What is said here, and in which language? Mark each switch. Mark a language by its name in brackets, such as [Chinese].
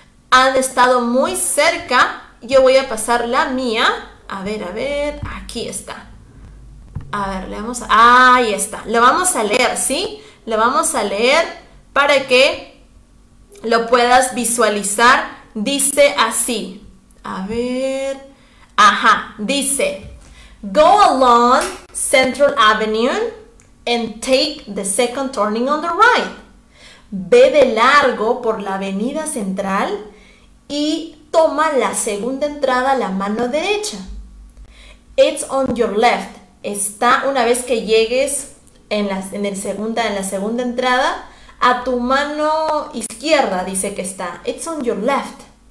[Spanish] Han estado muy cerca. Yo voy a pasar la mía. A ver, aquí está. A ver, le vamos a... Ahí está. Lo vamos a leer, ¿sí? Lo vamos a leer para que lo puedas visualizar. Dice así. A ver, ajá, dice, [English] go along Central Avenue and take the second turning on the right. [Spanish] Ve de largo por la avenida central y toma la segunda entrada a la mano derecha. [English] It's on your left. [Spanish] Está una vez que llegues en la segunda entrada, a tu mano izquierda dice que está. [English] It's on your left.